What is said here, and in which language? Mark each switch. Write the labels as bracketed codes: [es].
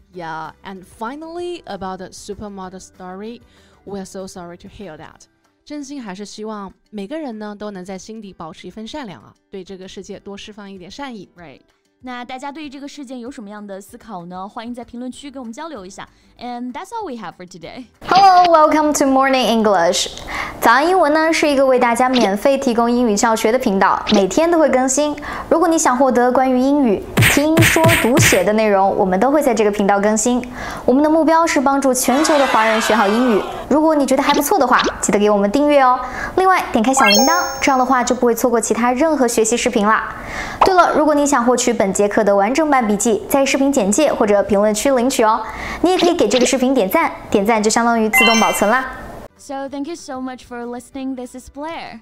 [en] Yeah, and finally, about the supermodel story, we're so sorry to hear that. [zh] 真心还是希望每个人呢都能在心底保持一份善良啊，对这个世界多释放一点善意。 [en] Right. [zh] 那大家对这个事件有什么样的思考呢？欢迎在评论区跟我们交流一下。 [en] And that's all we have for today. Hello, welcome to Morning English. [zh] 早安英文呢是一个为大家免费提供英语教学的频道，每天都会更新。如果你想获得关于英语听说读写的内容，我们都会在这个频道更新。我们的目标是帮助全球的华人学好英语。如果你觉得还不错的话，记得给我们订阅哦。另外，点开小铃铛，这样的话就不会错过其他任何学习视频啦。对了，如果你想获取本节课的完整版笔记，在视频简介或者评论区领取哦。你也可以给这个视频点赞，点赞就相当于自动保存啦。 [en] So thank you so much for listening. This is Blair.